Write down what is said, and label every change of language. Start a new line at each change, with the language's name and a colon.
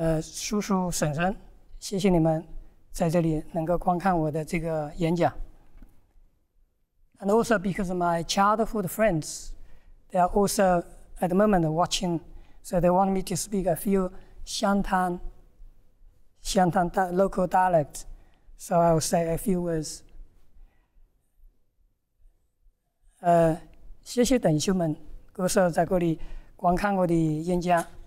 Chinese: 哥哥嫂嫂，叔叔婶婶， 谢谢你们在这里能够观看我的这个演讲。
English: And also because my childhood friends, they are also at the moment watching, so they want me to speak a few Xiantan local dialect, so I will say a few words.
Chinese: 谢谢等兄们，各位在这里观看我的演讲。